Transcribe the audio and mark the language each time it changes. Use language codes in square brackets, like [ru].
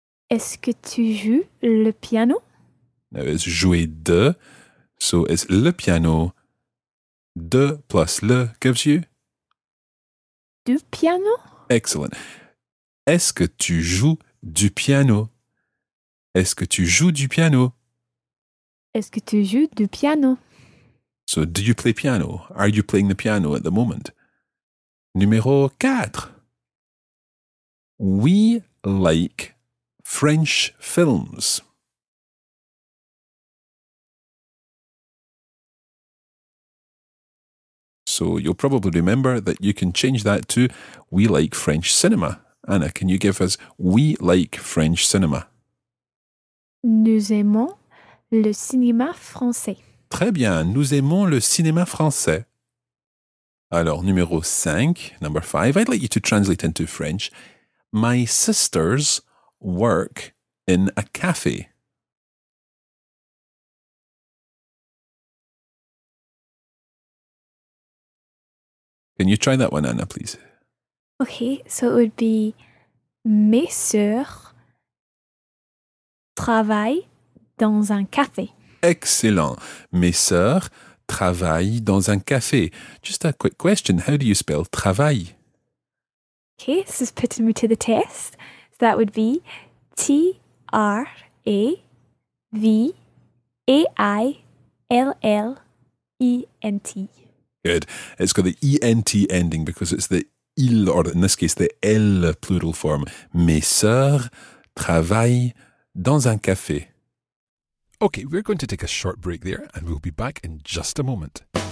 [fr] Est-ce que tu joues le piano? [en] Now it's jouer de. So it's le piano, de plus le gives you? [fr] Du piano? [en] Excellent. [fr] Est-ce que tu joues du piano? Est-ce que tu joues du piano? Est-ce que tu joues du piano? [en] So do you play piano? Are you playing the piano at the moment? [fr] Numéro 4. [en] We like French films. So you'll probably remember that you can change that to we like French cinema. Anna, can you give us we like French cinema? [fr] Nous aimons le cinéma français. Très bien, nous aimons le cinéma français. Alors, numéro 5, [en] number 5, I'd like you to translate into French. My sisters work in a cafe. Can you try that one, Anna, please? Okay, so it would be [fr] mes sœurs travaillent dans un café. [en] Excellent. [fr] Mes sœurs travaillent dans un café. [en] Just a quick question. How do you spell travail? Okay, this is putting me to the test. So that would be T-R-A-V-A-I-L-L-E-N-T. Good. It's got the E-N-T ending because it's the il, or in this case, the L plural form. [fr] Mes sœurs travaillent dans un café. [en] Okay, we're going to take a short break there and we'll be back in just a moment.